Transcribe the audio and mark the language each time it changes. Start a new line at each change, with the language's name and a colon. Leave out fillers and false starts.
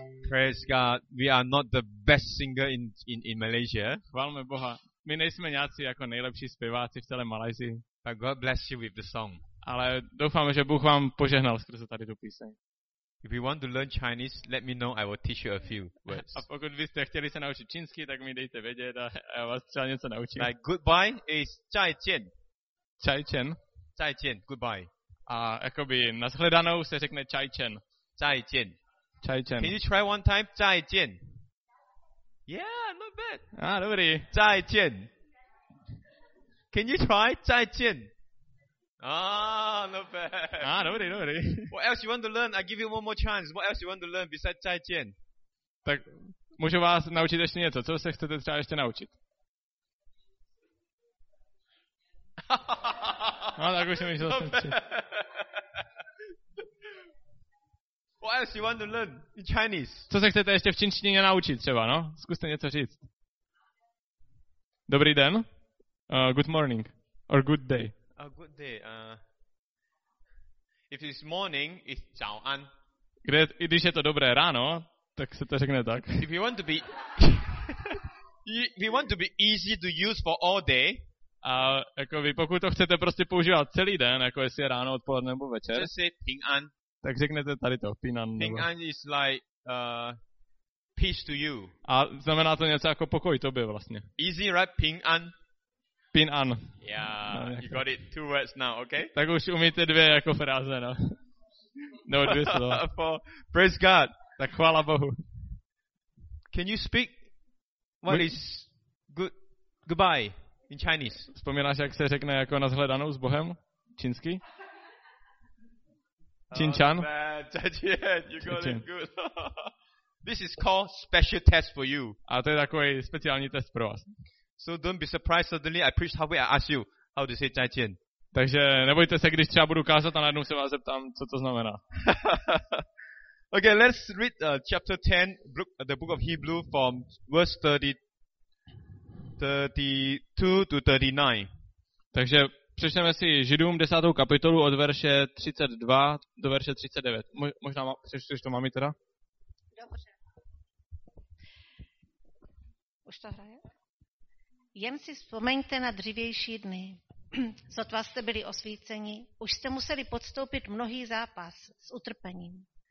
English: We are not the best singer in Malaysia.
Czech: Chválme Boha. My nejsme nějací jako nejlepší zpěváci v celé Malajzii.
English: But God bless you with the song.
Czech: Ale doufáme, že Bůh vám požehnal skrze tady tu píseň.
English: If you want to learn Chinese, let me know. I will teach you a few words.
Czech: A pokud byste chtěli se naučit čínsky, tak mi dejte vědět a já vás třeba něco naučím.
English: Like goodbye is 再见.
Chinese: 再见. 再见.Goodbye.
Czech: A jakoby nashledanou se řekne 再见.
Chinese: 再见. 再见.
English: Can you try one time? 再见.Yeah, not bad.
Czech: Ah, dobrý. 再见.Can you try? 再见.
English: Ah, not bad.
Czech: Ah, dobrý, dobrý.
English: What else you want to learn? I give you one more chance. What else you want to learn besides 再见?
Czech: Tak můžu vás naučit ještě něco. Co se chcete třeba ještě naučit? No, tak už můžu zase.
English: What else you want to learn in Chinese?
Czech: Co se chcete ještě v čínštině naučit třeba, no? Zkuste něco říct. Dobrý den.
English: Good morning. Or good day. Good day. If it's morning, it's 早安.
Czech: Když je to dobré ráno, tak se to řekne tak.
English: If you want to be if you want to be easy to use for all day,
Czech: pokud to chcete prostě používat celý den, jako jestli je ráno, odpoledne nebo večer,
English: just say 平安.
Czech: Tak řeknete tady to, Pinan.
English: Ping An is like peace to you.
Czech: A znamená to něco jako pokoj tobě vlastně.
English: Easy, right? Ping an.
Chinese: Ping an.
English: Yeah, no, you got it. Two words now, okay?
Czech: Tak už umíte dvě jako fráze, no. No, dvě slova.
English: For, praise God.
Czech: Tak chvála Bohu.
English: Can you speak what is good goodbye in Chinese?
Czech: Vzpomínáš, jak se řekne jako na shledanou s Bohem? Čínsky? Chin-chan?
English: You got it good. This is called special test for you.
Czech: A to je takový speciální test pro vás.
English: So don't be surprised suddenly I preach halfway, I ask you how to say zaijian.
Czech: Takže nebojte se, když třeba budu kázat a najednou se vás zeptám, co to znamená.
English: Okay, let's read chapter 10, the book of Hebrew from verse 32 to 39.
Czech: Takže přečteme si Židům 10. kapitolu od verše 32 do verše 39. Možná přečteš to mami teda? Dobře. Už to hraje? Jen si vzpomeňte na dřívější dny. Sotva jste byli osvíceni, už jste museli podstoupit mnohý zápas s utrpením.